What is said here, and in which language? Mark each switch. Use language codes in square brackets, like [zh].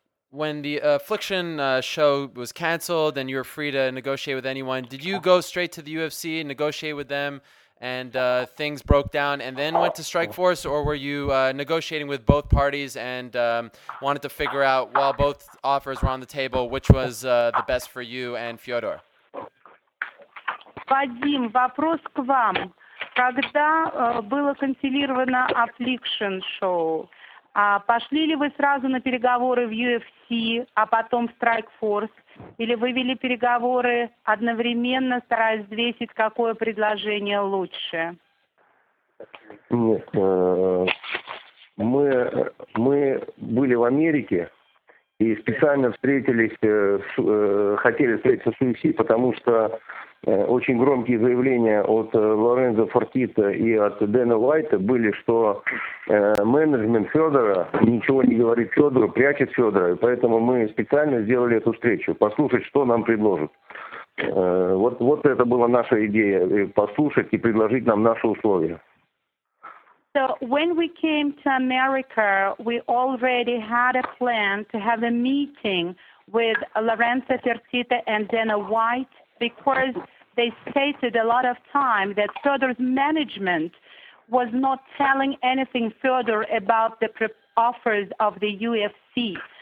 [en] when the Affliction show was canceled and you were free to negotiate with anyone, did you go straight to the UFC and negotiate with them and things broke down and then went to Strikeforce, or were you negotiating with both parties and wanted to figure out, while both offers were on the table, which was the best for you and Fyodor? [ru] Вадим, вопрос к вам. Когда было канцелировано Affliction show, а пошли ли вы сразу на переговоры в UFC, а потом в Strikeforce, или вы вели переговоры одновременно, стараясь взвесить, какое предложение лучше? Нет, мы были в Америке и специально хотели встретиться с UFC, потому что очень громкие заявления от Лоренцо Фортита и от Дэна Уайта были, что менеджмент Федора ничего не говорит Федору, прячет Федора. И поэтому мы специально сделали эту встречу, послушать, что нам предложат. Вот это была наша идея, послушать и предложить нам наши условия. [en] So when we came to America, we already had a plan to have a meeting with Lorenzo Fertitta and Dana White, because they stated a lot of time that Fyodor's management was not telling anything Fyodor about the offers of the UFC.